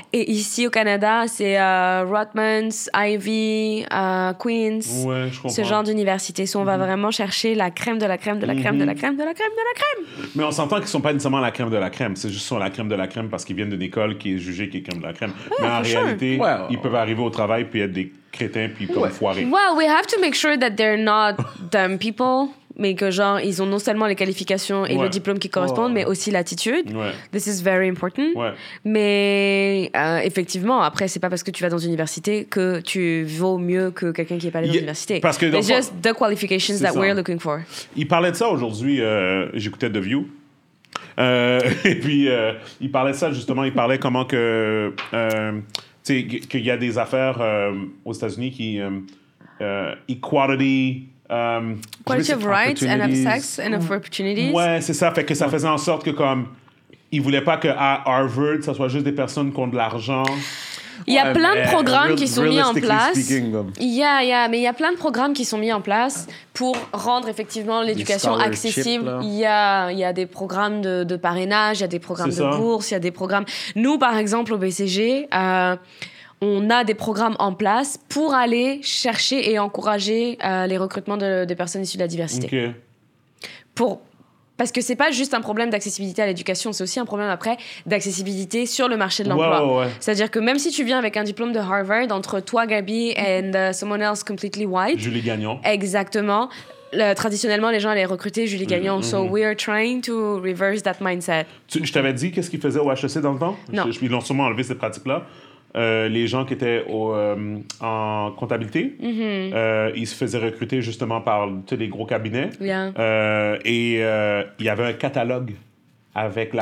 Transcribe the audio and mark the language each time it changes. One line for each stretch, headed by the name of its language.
French: Et ici au Canada, c'est Rotmans, Ivy, Queens. Ouais, je comprends. Ce genre d'université. Soit on va vraiment chercher la crème de la crème de la crème de la crème de la crème de la crème. Mais on s'entend qu'ils ne sont pas nécessairement la crème de la crème. C'est juste qu'ils sont la crème de la crème parce qu'ils viennent d'une école qui est jugée qui est crème de la crème. Ouais, mais en réalité, ils peuvent arriver au travail puis être des crétins puis comme foirés.
English: Well, we have to make sure that they're not dumb people.
French: mais que genre ils ont non seulement les qualifications et ouais. le diplôme qui correspondent, oh. mais aussi l'attitude. Ouais.
English: This is very important.
French: Ouais. Mais effectivement, après, c'est pas parce que tu vas dans une université que tu vaux mieux que quelqu'un qui est pas allé dans l'université. Parce que
English: it's just the qualifications
French: c'est
English: that
French: ça.
English: We're looking for.
French: Il parlait de ça aujourd'hui. J'écoutais The View. Et puis il parlait de ça justement. Il parlait comment que tu sais qu'il y a des affaires aux États-Unis qui equality.
English: Quality of rights and of sex and of opportunities.
French: Ouais, c'est ça. Fait que ça faisait en sorte que comme ils voulaient pas que à Harvard, ça soit juste des personnes qui ont de l'argent. Il y a plein de programmes qui sont mis en place.
English: Yeah,
French: mais il y a plein de programmes qui sont mis en place pour rendre effectivement l'éducation accessible. Il y a des programmes de parrainage, il y a des programmes de bourse, il y a des programmes. Nous, par exemple, au BCG. On a des programmes en place pour aller chercher et encourager les recrutements de personnes issues de la diversité. Okay. Parce que c'est pas juste un problème d'accessibilité à l'éducation, c'est aussi un problème après d'accessibilité sur le marché de l'emploi. Ouais, ouais. C'est-à-dire que même si tu viens avec un diplôme de Harvard, entre toi, Gabi,
English: and someone else completely white...
French: Julie Gagnon. Exactement. Traditionnellement, les gens allaient recruter Julie Gagnon.
English: Mm-hmm. So we are trying to reverse that mindset.
French: Je t'avais dit qu'est-ce qu'ils faisaient au HEC dans le temps? Non. Ils l'ont sûrement enlevé, ces pratiques-là. Les gens qui étaient en comptabilité, mm-hmm. Ils se faisaient recruter justement par les gros cabinets.
English: Yeah.
French: Et il y avait un catalogue avec la